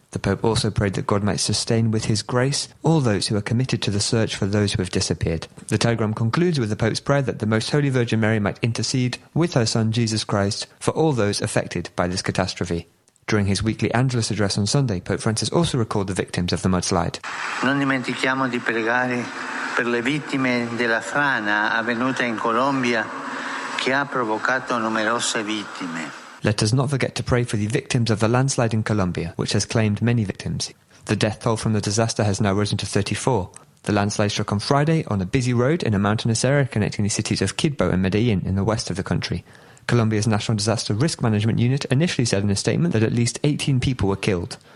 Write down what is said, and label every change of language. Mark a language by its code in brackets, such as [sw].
[en] The Pope also prayed that God might sustain with his grace all those who are committed to the search for those who have disappeared. The telegram concludes with the Pope's prayer that the Most Holy Virgin Mary might intercede with her Son Jesus Christ for all those affected by this catastrophe. During his weekly Angelus address on Sunday, Pope Francis also recalled the victims of the mudslide. [it] Non dimentichiamo di pregare per le vittime della frana avvenuta in Colombia che ha provocato numerose vittime. [en] Let us not forget to pray for the victims of the landslide in Colombia, which has claimed many victims. The death toll from the disaster has now risen to 34. The landslide struck on Friday on a busy road in a mountainous area connecting the cities of Quibdó and Medellín in the west of the country. Colombia's National Disaster Risk Management Unit initially said in a statement that at least 18 people were killed.